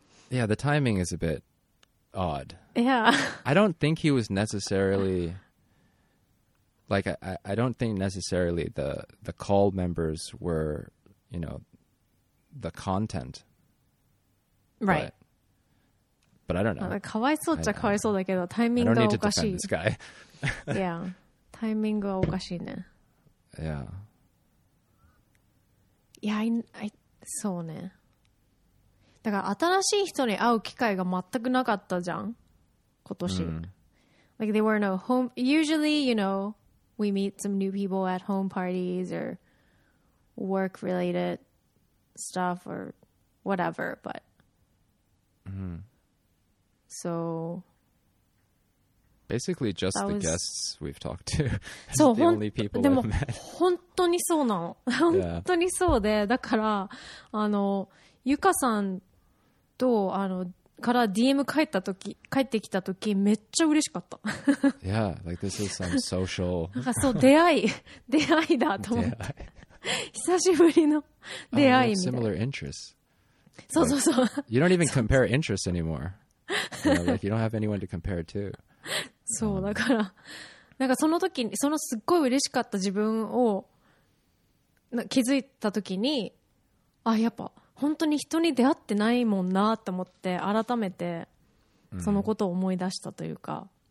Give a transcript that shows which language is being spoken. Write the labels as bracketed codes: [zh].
[en] Yeah, the timing is a bit odd. Yeah. I don't think he was necessarily, like I don't think necessarily the call members were, you know, the content. Right. But I don't know. [ja] かわいそうっちゃかわいそうだけど、タイミングがおかしい。 [en] Yeah. [ja] タイミングはおかしいね。 [en] Yeah. Yeah, I [ja] そうね。だから新しい人に会う機会が全くなかったじゃん。今年。 [en] Mm. Like there were no home. Usually, you know, we meet some new people at home parties or work related stuff or whatever, but. Mm-hmm. So basically just the guests we've talked to. So the only people we've met. [ja] 本当にそうなの。本当にそうで、だから、あの、ゆかさんと、あの、から DM 帰ったとき、帰ってきたとき、めっちゃ嬉しかった。 [en] Yeah, like this is some social. [ja] なんかそう、出会い。出会いだと思って。久しぶりの出会いみたいな。 [en] Similar interests. [ja] そうそうそう。 [en] You don't even compare interests anymore. You know, like you don't have anyone to compare to. [ja] そうだから、なんかその時にそのすっごい嬉しかった自分を気づいた時に、あ、やっぱ本当に人に出会ってないもんなと思って改めてそのことを思い出したというか。